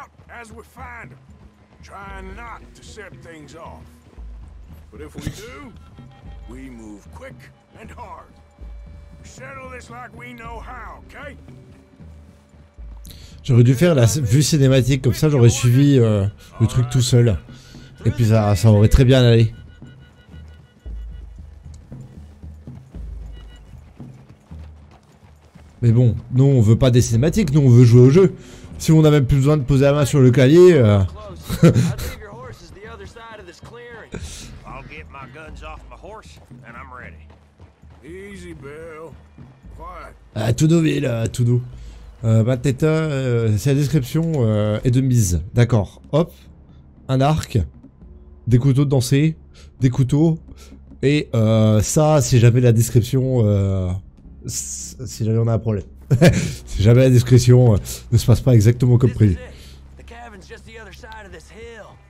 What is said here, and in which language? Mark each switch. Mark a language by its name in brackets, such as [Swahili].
[English] As we find them, try not to set things off. But if we do, we move quick and hard. We settle this like we know how, okay? [French] J'aurais dû faire la vue cinématique comme ça, j'aurais suivi le truc tout seul. Et puis ça aurait très bien allé. Mais bon, nous on veut pas des cinématiques, nous on veut jouer au jeu. Si on n'a même plus besoin de poser la main sur le clavier. [English] I'll get my guns off my horse and I'm ready. Easy, Bill. [French] Ah, tout doux, Bill, tout doux. Bah, c'est la description est de mise. D'accord. Hop. Un arc. Des couteaux de danser. Des couteaux. Et ça, si jamais la description. Si jamais on a un problème. Si jamais la description ne se passe pas exactement comme prévu. [English] The cabin's just the other side of this hill.